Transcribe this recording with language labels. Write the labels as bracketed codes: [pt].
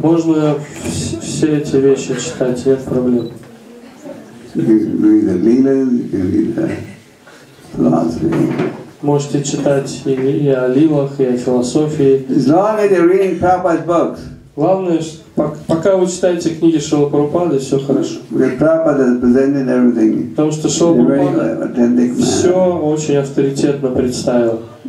[ru] Можно все эти вещи читать, нет проблем. [en] You can read the Leelas, you can read the philosophy. [ru] Можете читать и о лилах, и о философии. [en] As long as you're reading Prabhupada's books. [ru] Главное, пока вы читаете книги Шрилы Прабхупады, все хорошо. [en] Because Prabhupada has presented everything. [ru] Потому что Шрила Прабхупада все очень авторитетно представил.